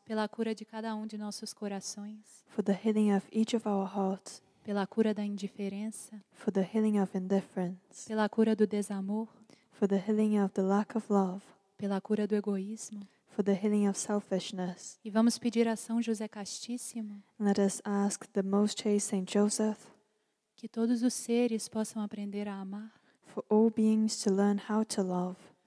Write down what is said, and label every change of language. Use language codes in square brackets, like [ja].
[pt] Pela cura de cada um de nossos corações. [en] For the healing of each of our hearts. [pt] Pela cura da indiferença. [en] For the healing of indifference. [pt] Pela cura do desamor. [en] For the healing of the lack of love. [pt] Pela cura do egoísmo. [en] For the healing of selfishness. [pt] E vamos pedir a São José Castíssimo. [en] Let us ask the Most Chaste Saint Joseph. [pt] Que todos os seres possam aprender a amar. [en] For all beings to learn how to love.